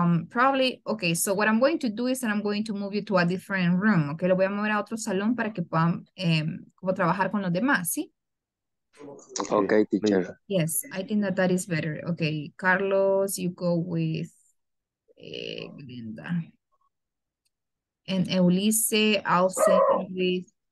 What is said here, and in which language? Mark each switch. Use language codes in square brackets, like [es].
[en] Probably, okay, so what I'm going to do is that I'm going to move you to a different room, okay? [es] Lo voy a mover a otro salón para que puedan como trabajar con los demás, ¿sí? [en] Okay, teacher. Yes, I think that is better. Okay, Carlos, you go with Glinda. And Eulise, I'll say with